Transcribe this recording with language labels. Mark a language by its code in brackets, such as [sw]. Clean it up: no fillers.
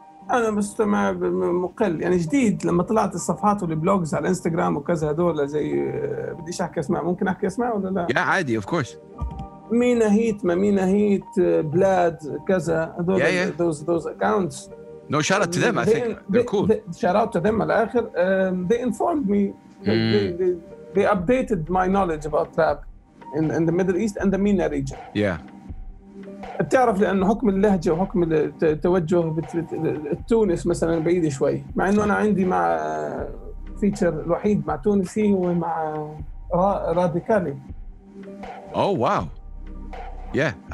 [ar] أنا مستمع مقل يعني جديد لما طلعت الصفحات والبلوجز على الانستغرام وكذا هدول زي بديش أحكي أسماء ممكن أحكي أسماء ولا لا؟ يا عادي [en] of course [ar] مينا هيت ما مينا هيت بلاد كذا هدول [en] those accounts No shout out to them I think they're cool shout out to them [ar] على آخر [en] they informed me they updated my knowledge about rap in the Middle East and the MENA region. Yeah. [ar] بتعرف لأنه حكم اللهجة وحكم التوجه بتونس مثلاً بعيد شوي. مع إنه أنا عندي مع فيتشر الوحيد مع تونسي ومع راديكالي. [en] Oh wow. Yeah.